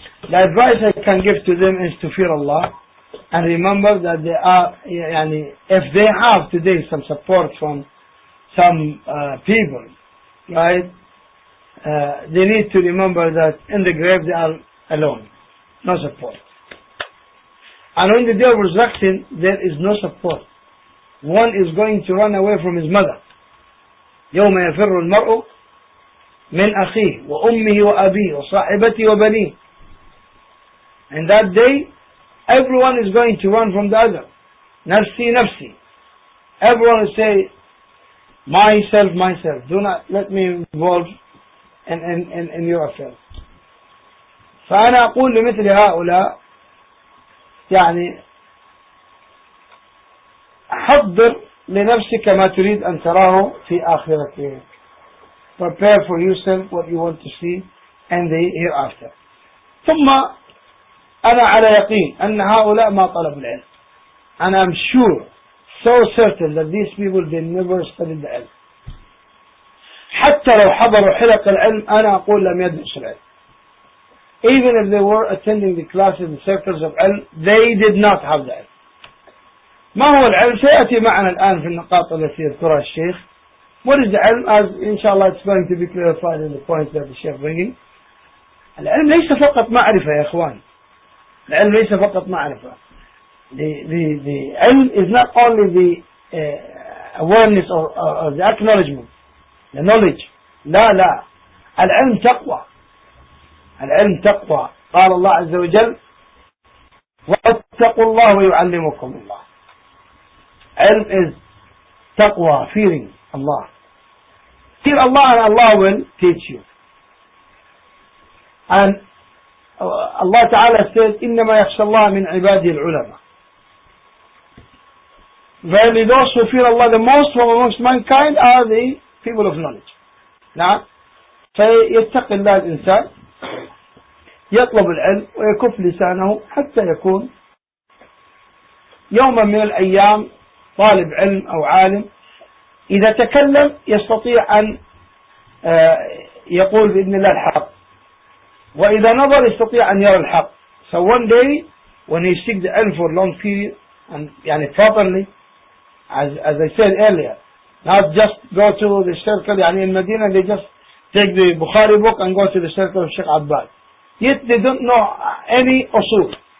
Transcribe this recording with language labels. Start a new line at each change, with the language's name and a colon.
English: The advice I can give to them is to fear Allah and remember that they are, if they have today some support from some people, right, they need to remember that in the grave they are alone, no support. And on the day of resurrection, there is no support. One is going to run away from his mother.
Arabic: يوم يفر المرء من أخيه وأمه وأبيه وصاحبته وبنيه.
English: In that day, everyone is going to run from the other.
Arabic: Nafsi, nafsi.
English: Everyone will say, myself, myself. Do not let me involve in your affairs.
Arabic: فأنا أقول لمثل هؤلاء يعني حضر لنفسك ما تريد أن تراه في آخرتك.
English: Prepare for yourself what you want to see in the hereafter.
Arabic: ثم أنا على يقين أن هؤلاء ما طلبوا العلم.
English: And I'm sure, so certain that these people they never studied the علم.
Arabic: حتى لو حضروا حلق العلم أنا أقول لم يدرسوا العلم.
English: Even if they were attending the classes and circles of علم, they did not have the علم.
Arabic: ما هو العلم؟ سيأتي معنا الآن في النقاط التي يذكرها الشيخ.
English: What is the علم? As inshallah it's going to be clarified in the points that the Sheikh bringing.
Arabic: العلم ليس فقط معرفة يا إخوان. العلم ليس فقط معرفة.
English: The علم is not only the awareness or the acknowledgement, the knowledge.
Arabic: لا لا. العلم تقوى. العلم تقوى. قال الله عز وجل واتقوا الله ويعلمكم الله.
English: علم is تقوى, fearing Allah. Fear Allah and Allah will teach you. And Allah Ta'ala says,
Arabic: إِنَّمَا يَخْشَى اللَّهَ مِنْ عِبَادِهِ الْعُلَمَةِ.
English: Verily those who fear Allah the most from amongst mankind are the people of knowledge.
Arabic: نعم. فيتق الله الإنسان يطلب العلم ويكف لسانه حتى يكون يوما من الأيام طالب علم أو عالم إذا تكلم يستطيع أن يقول بإذن الله الحق وإذا نظر يستطيع أن يرى الحق.
English: So one day when he seeks the علم for long period and يعني properly as I said earlier, not just go to the circle
Arabic: يعني المدينة,
English: they just take the Bukhari book and go to the circle of Sheikh Abbas, yet they don't know any أصول.